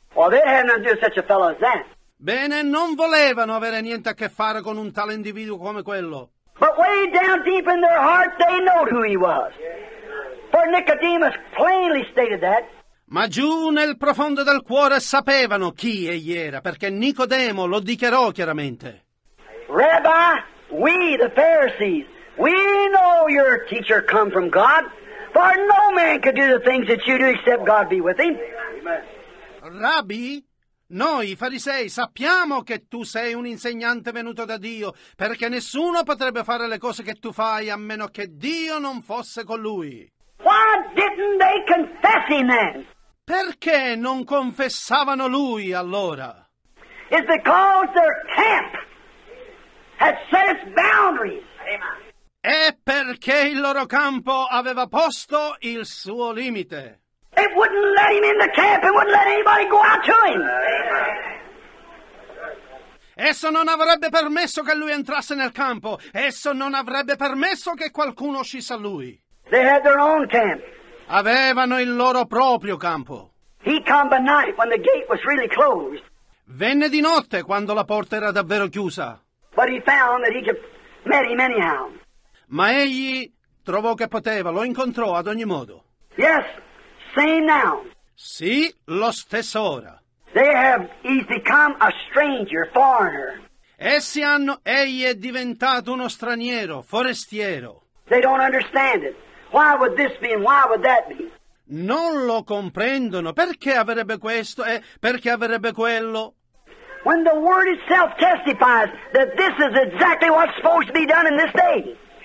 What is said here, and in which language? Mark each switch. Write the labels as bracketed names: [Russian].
[English] Well, they had nothing to do with such a fellow as that. [Italian] Bene, non volevano avere niente a che fare con un tale individuo come quello. [English] But way down deep in their heart they knew who he was. For Nicodemus plainly stated that. [Italian] Ma giù nel profondo del cuore sapevano chi egli era, perché Nicodemo lo dichiarò chiaramente. [English] Rabbi, we the Pharisees, we know your teacher come from God, for no man could do the things that you do except God be with him. [Italian] Rabbi, noi farisei sappiamo che tu sei un insegnante venuto da Dio, perché nessuno potrebbe fare le cose che tu fai a meno che Dio non fosse con lui. [English] Why didn't they confess him then? [Italian] Perché non confessavano lui allora? [English] It's because their camp had set its boundaries. [Italian] È perché il loro campo aveva posto il suo limite. [English] It wouldn't let him in the camp. It wouldn't let anybody go out to him. [Italian] Esso non avrebbe permesso che lui entrasse nel campo. Esso non avrebbe permesso che qualcuno uscisse a lui. [English] They had their own camp. [Italian] Avevano il loro proprio campo. [English] He came by night when the gate was really closed. [Italian] Venne di notte quando la porta era davvero chiusa. [English] But he found that he could meet him anyhow. [Italian] Ma egli trovò che poteva, lo incontrò ad ogni modo. [English] Yes, same now. [Italian] Sì, lo stesso ora. [English] They have, he's become a stranger, foreigner. [Italian] Essi hanno, egli è diventato uno straniero, forestiero. [English] They don't understand it. Why would this be and why would that be? [Italian] Non lo comprendono. Perché avrebbe questo e perché avrebbe quello? [English] When the word itself testifies that this is exactly what's supposed to be done in this day.